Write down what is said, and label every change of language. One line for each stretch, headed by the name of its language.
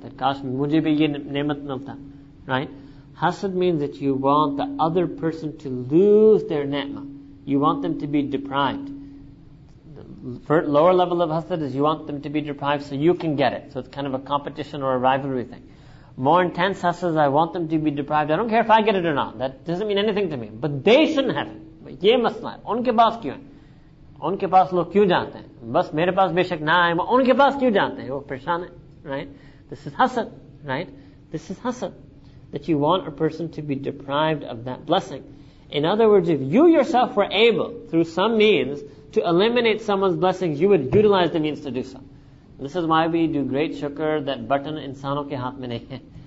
English: That gosh, mujibi nimat nimta. Right? Hasad means that you want the other person to lose their ni'mah. You want them to be deprived. The lower level of hasad is you want them to be deprived so you can get it. So it's kind of a competition or a rivalry thing. More intense hasad is I want them to be deprived. I don't care if I get it or not. That doesn't mean anything to me. But they shouldn't have it.
Hindi: ये मसला है. उनके पास क्यों है? उनके पास लोग क्यों जाते हैं? बस मेरे पास बेशक ना है, मा उनके पास क्यों जाते हैं? वो परेशान है, right?
English: This is hasad, right? This is hasad. That you want a person to be deprived of that blessing. In other words, if you yourself were able, through some means, to eliminate someone's blessings, you would utilize the means to do so. This is why we do great शुक्र that button इंसानों के हाथ में नहीं है.